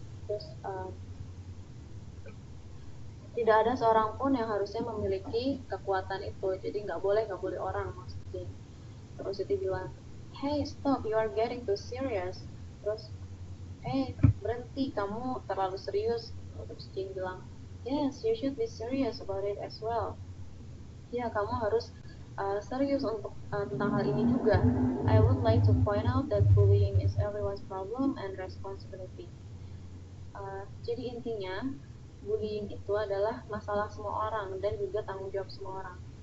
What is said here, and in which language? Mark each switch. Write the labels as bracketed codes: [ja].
[id] Terus tidak ada seorang pun yang harusnya memiliki kekuatan itu. Jadi nggak boleh orang maksudnya. Terus Siti bilang, [en] "Hey, stop, you are getting too serious." [id] Terus, "Hey, berhenti, kamu terlalu serius." Terus Siti bilang, [en] "Yes, you should be serious about it as well." [id] Ya, kamu harus serius untuk tentang hal ini juga. [en] "I would like to point out that bullying is everyone's problem and responsibility." [id] Jadi intinya, bullying itu adalah masalah semua orang dan juga tanggung jawab semua orang.